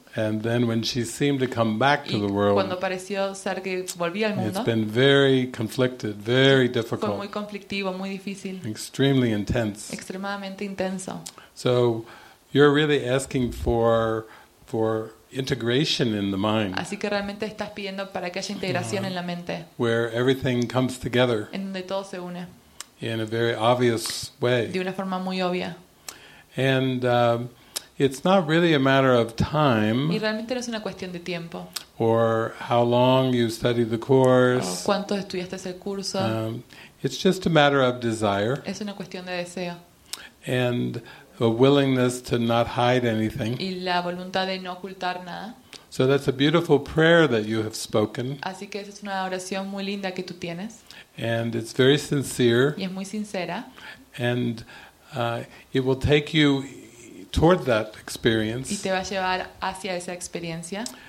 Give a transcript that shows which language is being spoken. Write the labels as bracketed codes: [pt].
[en] And then when she seemed to come back to the world. [es] Cuando pareció ser que volvía al mundo. [en] It's been very conflicted, very difficult. [es] Fue muy conflictivo, muy difícil. [en] Extremely intense. [es] Extremadamente intenso. [en] So you're really asking for integration in the mind. [es] Así que realmente estás pidiendo para que haya integración en la mente. [en] Where everything comes together. [es] En donde todo se une. [en] In a very obvious way. [es] De una forma muy obvia. [en] And it's not really a matter of time. [es] Y realmente no es una cuestión de tiempo. [en] Or how long you studied the course. [es] O cuánto estudiaste el curso. [en] It's just a matter of desire. [es] Es una cuestión de deseo. [en] And a willingness to not hide anything. [es] Y la voluntad de no ocultar nada. [en] So that's a beautiful prayer that you have spoken. [es] Así que esa es una oración muy linda que tú tienes. [en] And it's very sincere. [es] Y es muy sincera. [en] And it will take you toward that experience. [es] Y te va a llevar hacia esa experiencia.